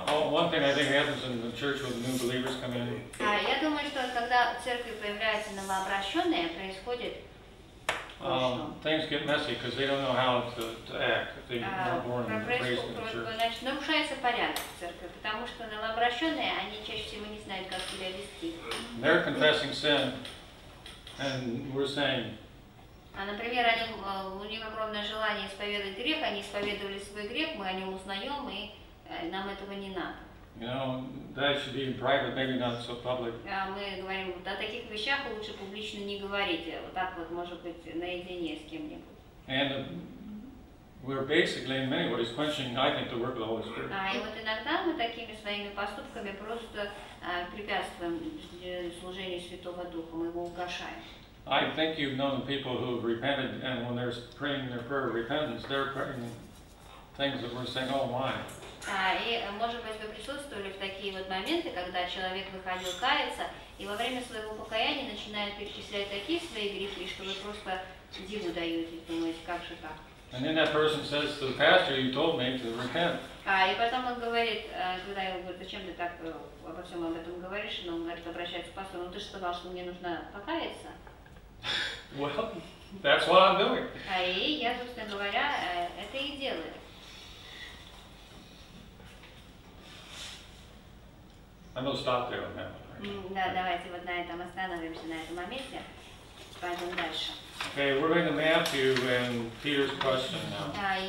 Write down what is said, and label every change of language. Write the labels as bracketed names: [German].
[English] One thing I think happens in the church when new believers come in. [Russian] Я думаю, что когда в церкви появляются новообращенные, происходит. [English] Things get messy because they don't know how to act if they're not born and raised in the church. [Russian] Нарушается порядок в церкви, потому что новообращенные они чаще всего не знают, как себя вести. [English] They're confessing sin. And we're saying. [Russian] А, например, они у них огромное желание исповедовать грех, они исповедовали свой грех, мы о нем узнаем, и нам этого не надо. [English] You know, that should be in private, maybe not so public. [Russian] А мы говорим, о таких вещах лучше публично не говорить, вот так вот, может быть, наедине с кем-нибудь. [English] And we're basically in many ways quenching, I think, the work of the Holy Spirit. [Russian] И вот иногда мы такими своими поступками просто препятствуем служению Святого Духа, мы его угашаем. [English] I think you've known people who have repented, and when they're praying their prayer of repentance, they're praying things that we're saying, oh my. [Russian] И, может быть, вы присутствовали в такие вот моменты, когда человек выходил каяться, и во время своего покаяния начинает перечислять такие свои грехи, что вы просто диву даете, думаете, как же так. [English] And then that person says to the pastor, "You told me to repent." [Russian] И потом он говорит, когда я говорю, зачем ты так обо всем об этом говоришь, но он говорит, обращается к пастору, ты же сказал, что мне нужно покаяться. [English] Well, that's what I'm doing. [Russian] И я, собственно говоря, это и делаю. [English] I'm gonna stop there on that one. [Russian] Да, давайте вот на этом остановимся, на этом моменте. [English] Okay, we're going to Matthew and Peter's question now.